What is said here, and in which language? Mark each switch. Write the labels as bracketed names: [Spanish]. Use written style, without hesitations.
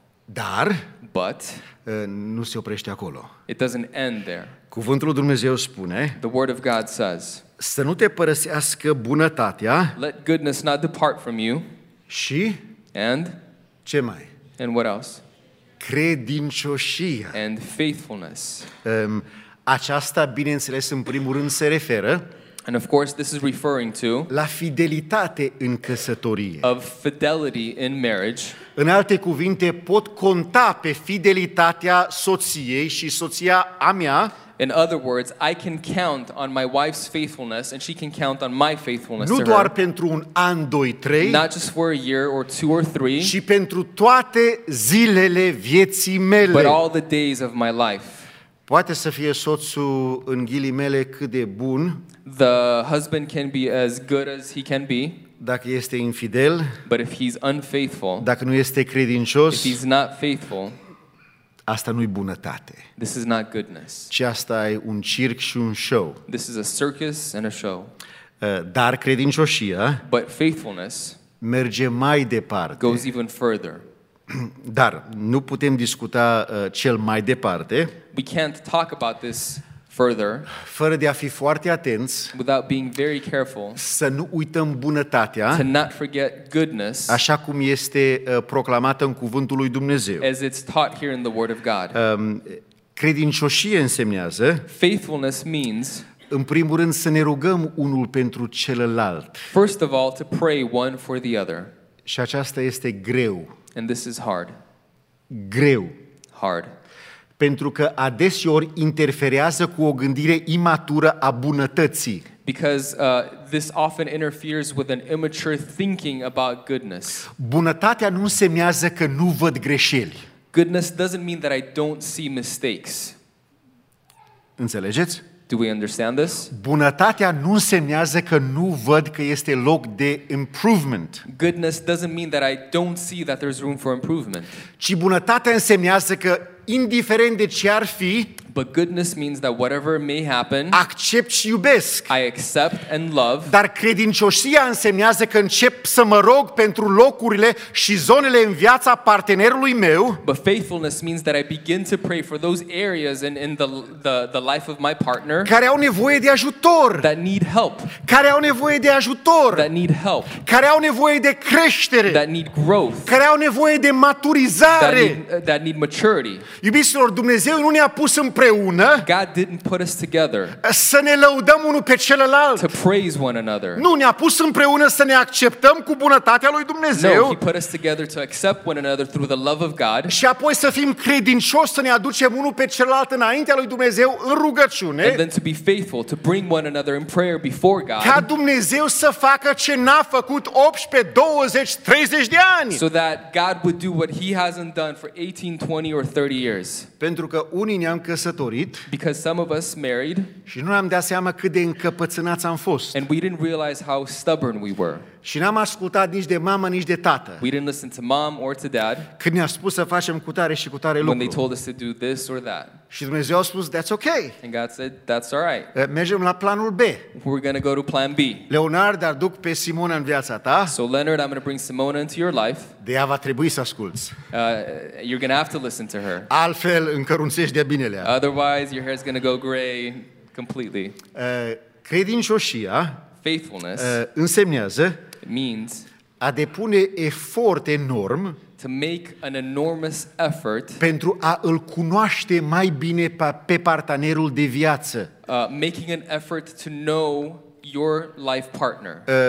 [Romanian] Dar, [English] but, [Romanian] nu se oprește acolo. [English] It doesn't end there. [Romanian] Cuvântul lui Dumnezeu spune, [English] the word of God says, [Romanian] să nu te părăsească bunătatea, [English] let goodness not depart from you, [Romanian] și, [English] and, [Romanian] ce mai? [English] And what else? [Romanian] Credincioșia. [English] And faithfulness. [Romanian] Aceasta, bineînțeles, în primul rând se referă [English] and of course, this is referring to [Romanian] la fidelitate în căsătorie. [English] Of fidelity in marriage. [Romanian] În alte cuvinte, pot conta pe fidelitatea soției și soția a mea. [English] In other words, I can count on my wife's faithfulness and she can count on my faithfulness to her. [Romanian] Nu doar [English] her, [Romanian] pentru un an, doi, trei, [English] not just for a year or two or three, [Romanian] ci pentru toate zilele vieții mele. [English] But all the days of my life. [Romanian] Poate să fie soțul în ghilimele cât de bun, [English] the husband can be as good as he can be, [Romanian] dacă este infidel, [English] but if he's unfaithful, [Romanian] dacă nu este credincios, [English] if he's not faithful, [Romanian] asta nu-i bunătate. [English] This is not goodness. [Romanian] Ci asta e un circ și un show. [English] This is a circus and a show. [Romanian] Dar credincioșia, [English] but faithfulness, [Romanian] merge mai departe. [English] Goes even further. [Romanian] Dar nu putem discuta cel mai departe. [English] We can't talk about this further. [Romanian] Fără de a fi foarte atenți, [English] without being very careful, [Romanian] să nu uităm bunătatea, [English] to not forget goodness, [Romanian] așa cum este proclamată în cuvântul lui Dumnezeu. [English] As it's taught here in the word of God. [Romanian] Credincioșie însemnează, [English] faithfulness means, [Romanian] în primul rând să ne rugăm unul pentru celălalt. [English] First of all, to pray one for the other. [Romanian] Și aceasta este greu. [English] And this is hard. [Romanian] Greu. [English] Hard. [Romanian] Pentru că adeseori interferează cu o gândire imatură a bunătății. [English] Because this often interferes with an immature thinking about goodness. [Romanian] Bunătatea nu semnează că nu văd greșeli. [English] Goodness doesn't mean that I don't see mistakes. [Romanian] Înțelegeți? [English] Do we understand this? [Romanian] Bunătatea nu semnează că nu văd că este loc de improvement. [English] Goodness doesn't mean that I don't see that there's room for improvement. [Romanian] Ci bunătatea însemnează că indiferent de ce ar fi, [English] but goodness means that whatever may happen, [Romanian] accept și iubesc. [English] I accept and love. [Romanian] Dar credincioșia însemnează că încep să mă rog pentru locurile și zonele în viața partenerului meu. [English] But faithfulness means that I begin to pray for those areas in the life of my partner, [Romanian] care au nevoie de ajutor. [English] That need help. [Romanian] Care au nevoie de ajutor. [English] That need help. [Romanian] Care au nevoie de creștere. [English] That need growth. [Romanian] Care au nevoie de maturizare. [English] That need maturity. [Romanian] Iubiților, Dumnezeu nu ne-a pus împreună, [English] God didn't put us together, [Romanian] să ne lăudăm unul pe celălalt. [English] To praise one another. [Romanian] Nu, ne-a pus împreună să ne acceptăm cu bunătatea lui Dumnezeu. [English] No, he put us together to accept one another through the love of God. [Romanian] Și apoi să fim credincioși, să ne aducem unul pe celălalt înaintea lui Dumnezeu în rugăciune. [English] And then to be faithful, to bring one another in prayer before God. [Romanian] Ca Dumnezeu să facă ce n-a făcut 18, 20, 30 de ani. [English] So that God would do what he hasn't done for 18, 20 or 30 years. [Romanian] Pentru că unii ne-am căsătorit, [English] because some of us married, [Romanian] și nu ne-am dat seama cât de încăpățânați am fost. [English] And we didn't realize how stubborn we were. [Romanian] Și n-am ascultat nici de mamă, nici de tată. [English] We didn't listen to mom or to dad. [Romanian] Când ne-a spus să facem cu tare și cu tare lucru. [English] When they told us to do this or that. [Romanian] Și Dumnezeu a spus, [English] that's okay. And God said, that's all right. [Romanian] Mergem la planul B. [English] We're going to go to plan B. [Romanian] Leonard, aduc pe Simona în viața ta. [English] So Leonard, I'm going to bring Simona into your life. [Romanian] De ea va trebui să asculți. [English] You're going to have to listen to her. [Romanian] Altfel încărunțești de binelea. [English] Otherwise, your hair is going to go gray completely. [Romanian] Credincioșia, [English] faithfulness, [Romanian] însemnează, [English] it means [Romanian] a depune efort enorm, [English] to make an enormous effort, [Romanian] pentru a îl cunoaște mai bine pe partenerul de viață. [English] Making an effort to know your life partner.